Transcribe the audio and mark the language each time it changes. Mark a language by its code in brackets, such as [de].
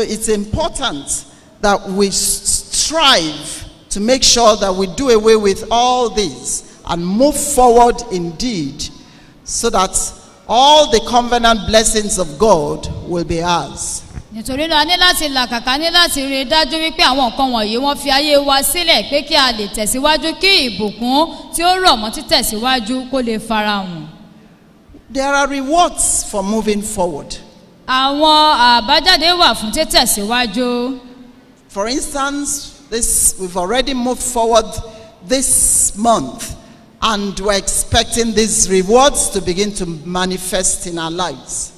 [en] it's important that we strive to make sure that we do away with all these and move forward indeed, so that all the covenant blessings of God will be ours. [yo] Nítorí náà ní láti làkàkà ní láti rí dájú wípé àwọn nǹkan wọ̀nyí wọ́n fi ayé wa sílẹ̀ pé kí a lè tẹ̀síwájú kí ìbùkún tí ó rọ̀ mọ́ títẹ̀síwájú kó lè farahàn. [en] There are rewards for moving forward. [yo] Àwọn àbájáde wà fún títẹ̀síwájú. [en] For instance, we've already moved forward this month, and we're expecting these rewards to begin to manifest in our lives.